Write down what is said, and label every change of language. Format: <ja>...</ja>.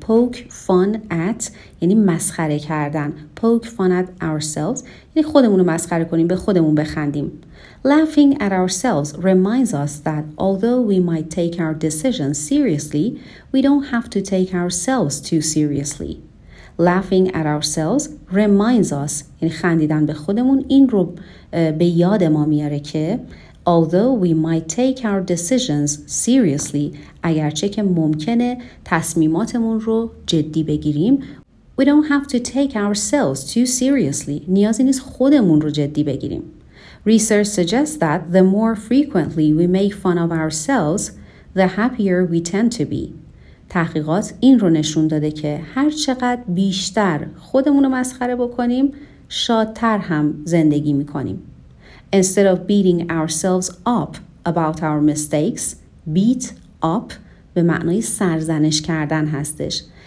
<en>poke fun at</en> <fa>یعنی مسخره کردن.</fa> <en>poke fun at ourselves</en> <fa>یعنی خودمون رو مسخره کنیم، به خودمون بخندیم.</fa> <en>laughing at ourselves reminds us that although we might take our decisions seriously, we don't have to take ourselves too seriously. laughing at ourselves reminds us</en> <fa>یعنی خندیدن به خودمون این رو به یاد ما میاره که</fa> <en>although we might take our decisions seriously,</en> <fa>اگرچه که ممکنه تصمیماتمون رو جدی بگیریم,</fa> <en>we don't have to take ourselves too seriously.</en> <fa>نیازی نیست خودمون رو جدی بگیریم.</fa> <en>Research suggests that the more frequently we make fun of ourselves, the happier we tend to be.</en> <fa>تحقیقات این رو نشون داده که هر چقدر بیشتر خودمون رو مسخره بکنیم, شادتر هم زندگی میکنیم.</fa> <en>Instead of beating ourselves up about our mistakes, beat up</en> <fa>به معنی سرزنش کردن هستش.</fa>